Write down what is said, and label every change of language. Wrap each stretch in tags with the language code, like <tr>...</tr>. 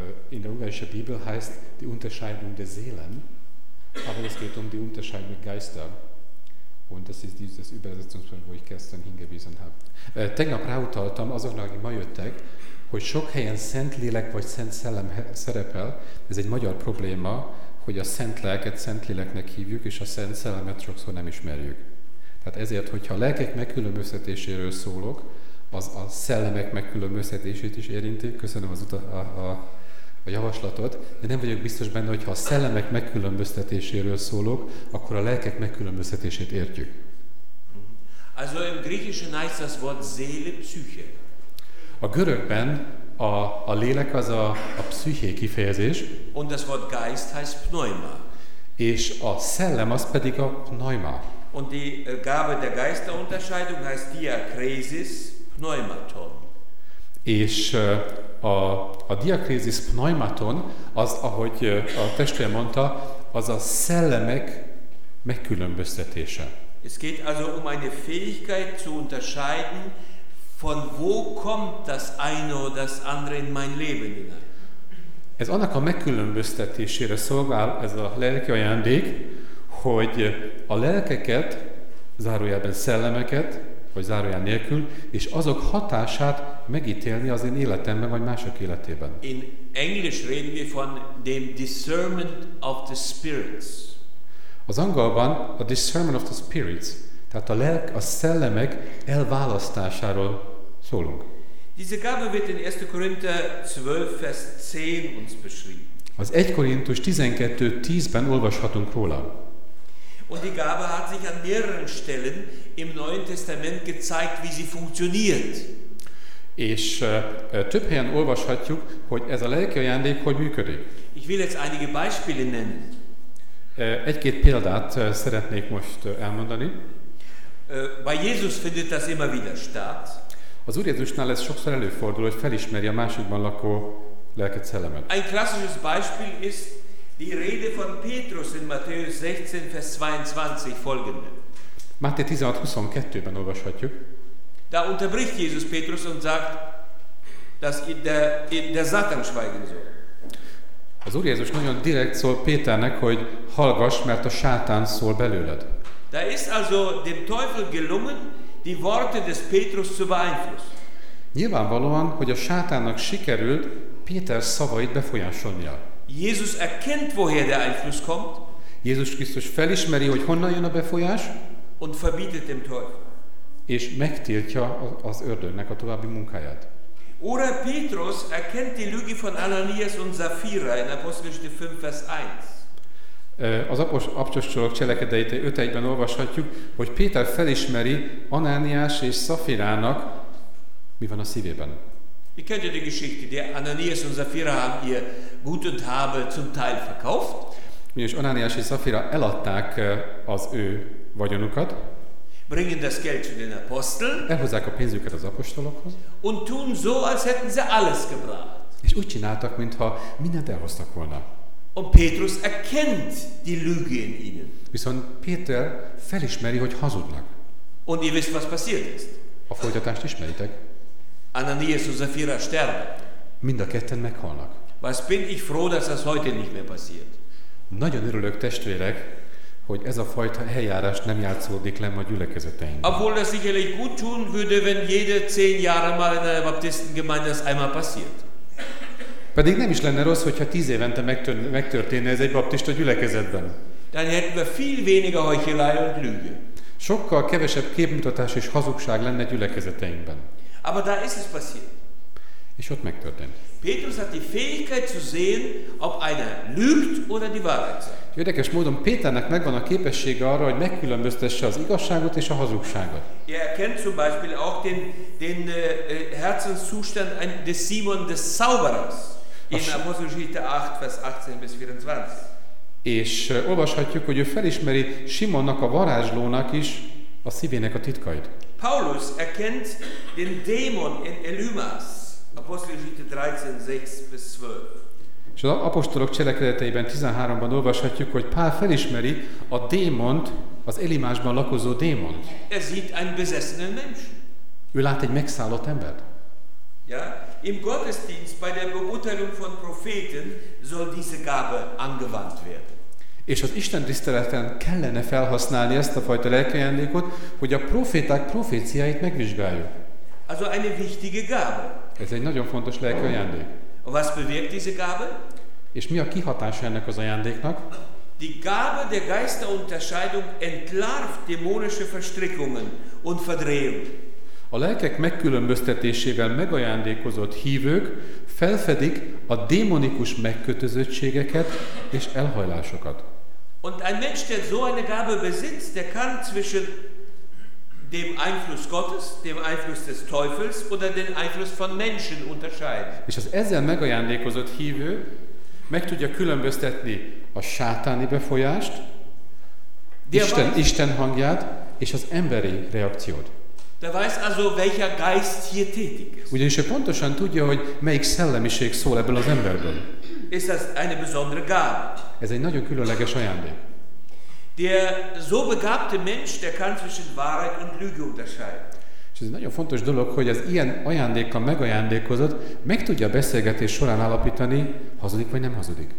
<de>In der ungarischen Bibel heißt die Unterscheidung der Seelen, aber es geht um die Unterscheidung der Geister. Und das ist dieses Übersetzungsproblem, wo ich gestern hingewiesen habe.</de> <hu>Tegnap ráutaltam azoknak, akik ma jöttek, hogy sok helyen szent lélek vagy szent szellem szerepel. Ez egy magyar probléma, hogy a szent lelket szent léleknek hívjuk, és a szent szellemet sokszor nem ismerjük. Tehát ezért, hogyha a lelkek megkülönböztetéséről szólok, az a szellemek megkülönböztetését is érinti. Köszönöm az a javaslatot, de nem vagyok biztos benne, hogy ha a szellemek megkülönböztetéséről szólok, akkor a lelkek megkülönböztetését értjük.</hu> <de>Also im Griechischen heißt das Wort Seele, Psyche.</de> <hu>A görögben a lélek az a psyché kifejezés.</hu> <de>Und das Wort Geist heißt Pneuma.</de> <hu>És a szellem az pedig a Pneuma.</hu> <de>Und die Gabe der Geisterunterscheidung heißt Diakrisis Pneumaton.</de> <hu>És a diakrisis pneumaton, az, ahogy a testvér mondta, az a szellemek megkülönböztetése.</hu> <de>Es geht also um eine Fähigkeit zu unterscheiden, von wo kommt das eine oder das andere in mein Leben hinein.</de> <hu>Ez annak a megkülönböztetésére szolgál ez a lelki ajándék, hogy a lelkeket, zárójelben szellemeket, vagy zárójel nélkül, és azok hatását megítélni az én életemben, vagy mások életében.</hu> <en>In English reading we from the discernment of the spirits.</en> <hu>Az angolban a</hu> <en>discernment of the spirits,</en> <hu>tehát a lelk, a szellemek elválasztásáról szólunk.</hu> <de>Diese Gabe wird in 1. Korinther 12, Vers 10 uns beschrieben.</de> <hu>Az 1. Korintus 12:10-ben olvashatunk róla.</hu> <de>Und die Gabe hat sich an mehreren Stellen im Neuen Testament gezeigt, wie sie funktioniert.</de> <hu>És több helyen olvashatjuk, hogy ez a lelki ajándék hogy működik.</hu> <de>Ich will jetzt einige Beispiele nennen.</de> <hu>Egy-két példát szeretnék most elmondani.</hu> <de>Bei Jesus findet das immer wieder statt.</de> <hu>Az Úr Jézusnál ez sokszor előfordul, hogy felismeri a másikban lakó lelket szellemet.</hu> <de>Ein klassisches Beispiel ist die Rede von Petrus in Matthäus 16, Vers 22 folgende.</de> <hu>Máté 16:22-ben olvashatjuk.</hu> <de>Da unterbricht Jesus Petrus und sagt, dass der Satan schweigen soll.</de> <hu>Az Úr Jézus nagyon direkt szól Péternek, hogy hallgass, mert a Sátán szól belőled.</hu> <de>Da ist also dem Teufel gelungen, die Worte des Petrus zu beeinflussen.</de> <hu>Nyilvánvalóan, hogy a Sátánnak sikerült Péter szavait befolyásolnia.</hu> <de>Jesus erkennt, woher der Einfluss kommt.</de> <hu>Jézus Krisztus felismeri, hogy honnan jön a befolyás.</hu> <de>Und verbietet dem Teufel.</de> <hu>És megtiltja az ördögnek a további munkáját.</hu> <de>Oder Petrus erkennt die Lüge von Ananias und Sapphira in Apostelgeschichte 5, Vers 1.</de> <hu>Az apostolok cselekedeteit 5:1-ben olvashatjuk, hogy Péter felismeri Ananias és Szafirának, mi van a szívében.</hu> <de>Ihr kennt ja die Geschichte, die Ananias und Sapphira haben ihr Gut und Habe zum Teil verkauft.</de> <hu>Mégis Ananias és Szafira eladták az ő vagyonukat.</hu> <de>Bringen das Geld zu den Aposteln.</de> <hu>Elhozzák a pénzüket az apostolokhoz.</hu> <de>Und tun so, als hätten sie alles gebracht.</de> <hu>És úgy csináltak, mintha mindent elhoztak volna.</hu> <de>Und Petrus erkennt die Lüge in ihnen.</de> <hu>Viszont Péter felismeri, hogy hazudnak.</hu> <de>Und ihr wisst, was passiert ist.</de> <hu>A folytatást ismeritek.</hu> <de>Ananias und Sapphira sterben.</de> <hu>Mind a ketten meghalnak.</hu> <de>Was bin ich froh, dass das heute nicht mehr passiert.</de> <hu>Nagyon örülök, testvérek, hogy ez a fajta eljárás nem játszódik le a gyülekezeteinkben.</hu> <de>Obwohl das sicherlich gut tun würde, wenn jede 10 Jahre mal in einer Baptistengemeinde das einmal passiert.</de> <hu>Pedig nem is lenne rossz, hogyha 10 évente megtörténne ez egy baptista gyülekezetben.</hu> <de>Dann hätten wir viel weniger Heuchelei und Lüge.</de> <hu>Sokkal kevesebb képmutatás és hazugság lenne gyülekezeteinkben.</hu> <de>Aber da ist es passiert.</de> <hu>És ott megtörtént.</hu> <de>Petrus hat die Fähigkeit zu sehen, ob einer lügt oder die Wahrheit sagt.</de> <hu>Érdekes módon Péternek megvan a képessége arra, hogy megkülönböztesse az igazságot és a hazugságot.</hu> <de>Er erkennt zum Beispiel auch den Herzenszustand des Simon des Zauberers in Apostelgeschichte 8, Vers 18-24.</de> <hu>És olvashatjuk, hogy ő felismeri Simonnak, a varázslónak is a szívének a titkait.</hu> <de>Paulus erkennt den Dämon in Elymas, Apostelgeschichte 13, 6-12.</de> <hu>És az apostolok cselekedeteiben 13-ban olvashatjuk, hogy Pál felismeri a démont, az Elimásban lakozó démont.</hu> <de>Er sieht einen besessenen Menschen.</de> <hu>Ő lát egy megszállott embert.</hu> <de>Ja, im Gottesdienst bei der Beurteilung von Propheten soll diese Gabe angewandt werden.</de> <hu>És az Isten tiszteleten kellene felhasználni ezt a fajta lelkiajándékot, hogy a proféták proféciáit megvizsgáljuk.</hu> <de>Also eine wichtige Gabe.</de> <hu>Ez egy nagyon fontos lelkiajándék.</hu> <de>Was bewirkt diese Gabe?</de> <hu>És mi a kihatása ennek az ajándéknak?</hu> <de>Die Gabe der Geisterunterscheidung entlarvt dämonische Verstrickungen und Verdrehung.</de> <hu>A lelkek megkülönböztetésével megajándékozott hívők felfedik a démonikus megkötözöttségeket és elhajlásokat.</hu> <de>Und ein Mensch, der so eine Gabe besitzt, der kann zwischen dem Einfluss Gottes, dem Einfluss des Teufels oder den Einfluss von Menschen unterscheiden.</de> <hu>És az ezzel megajándékozott hívő meg tudja különböztetni a sátáni befolyást, Isten hangját és az emberi reakciót.</hu> <de>Der weiß also, welcher Geist hier tätig ist.</de> <hu>Ugyanis ő pontosan tudja, hogy melyik szellemiség szól ebből az emberből.</hu> <de>Ist das eine besondere Gabe?</de> <hu>Ez egy nagyon különleges ajándék.</hu> <de>Der so begabte Mensch, der kann zwischen Wahrheit und Lüge unterscheiden.</de> <hu>És ez egy nagyon fontos dolog, hogy az ilyen ajándékkal megajándékozott meg tudja a beszélgetés során állapítani, hazudik vagy nem hazudik.</hu>